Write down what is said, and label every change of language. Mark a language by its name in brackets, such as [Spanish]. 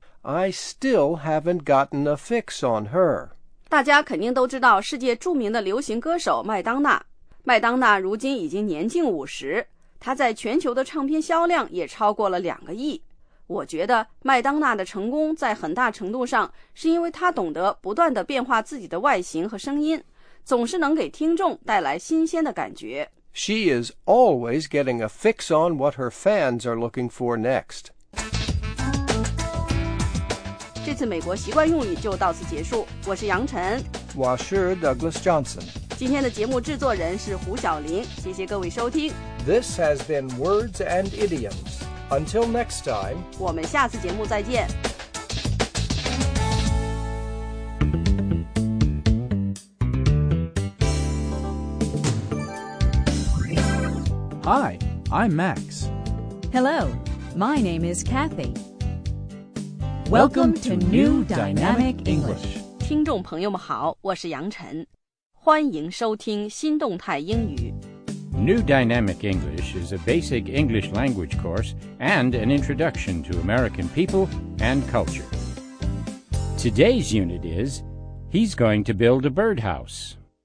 [English] I still haven't gotten a fix on her. [Chinese] 大家肯定都知道世界著名的流行歌手麦当娜。麦当娜如今已经年近50，她在全球的唱片销量也超过了2亿。我觉得麦当娜的成功在很大程度上是因为她懂得不断地变化自己的外形和声音，总是能给听众带来新鲜的感觉。 [English] She is always getting a fix on what her fans are looking for next. [Chinese] 这次美国习惯用语就到此结束，我是杨晨。我是 Douglas Johnson。今天的节目制作人是胡晓玲，谢谢各位收听。 [English] This has been Words and Idioms. Until next time, [Chinese] 我们下次节目再见。 [English] Hi, I'm Max. Hello, my name is Kathy. Welcome to New Dynamic English. [Chinese] 听众朋友们好，我是杨晨，欢迎收听新动态英语。 [English] New Dynamic English is a basic English language course and an introduction to American people and culture. Today's unit is, he's going to build a birdhouse.